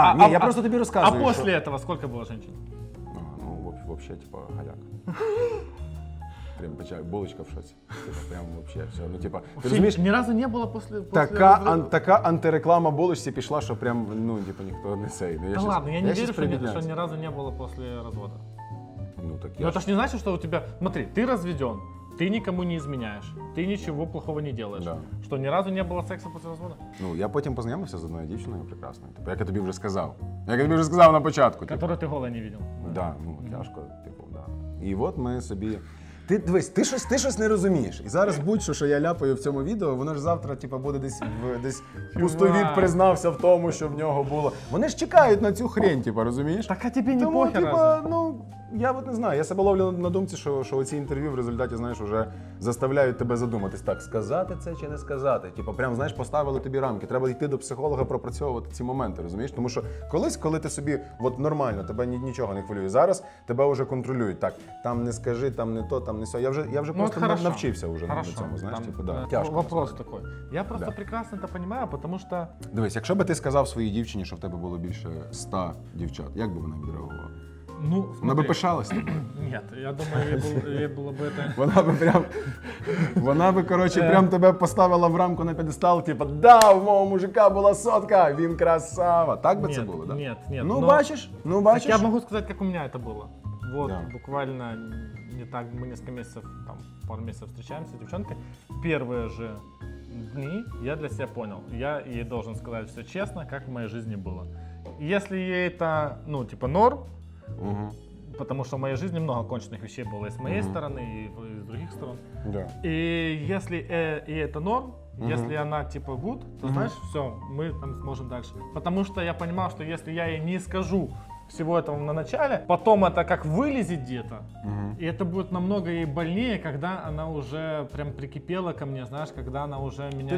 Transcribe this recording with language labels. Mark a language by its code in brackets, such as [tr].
[uk] Я просто тобі розказую. А після що... [ru] этого сколько [uk] було жінок? [ru] Вообще, типа, голяк. Прям печаль, булочка в шоці. Типа, прям вообще все. Ну, типа, ты разумеешь? Ни разу не было после... [uk] Така антиреклама булочці пішла, що прям, ну, типа, ніхто не сей. [ru] Да щас, ладно, я не верю, що ни разу не было после развода. Ну, так я... Но это ж не значит, что у тебя... Смотри, ты разведен, ты никому не изменяешь, ты ничего плохого не делаешь. Да. Что, ни разу не было секса после развода? Ну, я потом познакомился с одной девчиной прекрасной. Типа, как я тебе уже сказал. [uk] Як я тобі вже сказав на початку. Которого ти голий не бачив. Так, да, ну тяжко, типу, так. Да. І от ми собі... Ти дивись, ти щось не розумієш. І зараз будь-що, що я ляпаю в цьому відео, воно ж завтра типу, буде десь пустовід признався в тому, що в нього було. Вони ж чекають на цю хрень, типу, розумієш? Так а тобі не тому, похер, типу, ну, я от не знаю. Я себе ловлю на думці, що оці інтерв'ю в результаті, знаєш, вже заставляють тебе задуматись. Так, сказати це чи не сказати? Типу, прям, знаєш, поставили тобі рамки. Треба йти до психолога пропрацьовувати ці моменти, розумієш? Тому що колись, коли ти собі от нормально, тебе нічого не хвилює. Зараз тебе вже контролюють. Так, там не скажи, там не то, там не все. Я вже ну, просто навчився вже на цьому, знаєш, там, типу, да. Тяжко. Вопрос такий. Я просто прекрасно це розумію, тому що... Дивись, якщо би ти сказав своїй дівчині, що в тебе було більше 100 дівчат, як би вона відреагувала? Ну, вона би пишалась? Ні, я думаю, їй було б це... Вона би, коротше, прям тебе поставила в рамку на п'єдестал, типу, да, в мого мужика була сотка, він красава. Так би це було, так? Ні. Ну, бачиш? Так я можу сказати, як у мене це було. Вот, буквально не так, ми несколько місяців, там, пару місяців зустрічаємося з дівчинкою. Перші ж дні я для себе зрозумів. Я їй должен сказати все чесно, як в моїй житті було. Якщо їй це, ну, типу, норм, угу. [ru] Потому что в моей жизни много конченых вещей было и с моей стороны, и с других сторон. Да. И если и это норм, если она типа good, то знаешь, все, мы там сможем дальше. Потому что я понимал, что если я ей не скажу всего этого на начале, потом это как вылезет где-то, и это будет намного ей больнее, когда она уже прям прикипела ко мне, знаешь, когда она уже меня...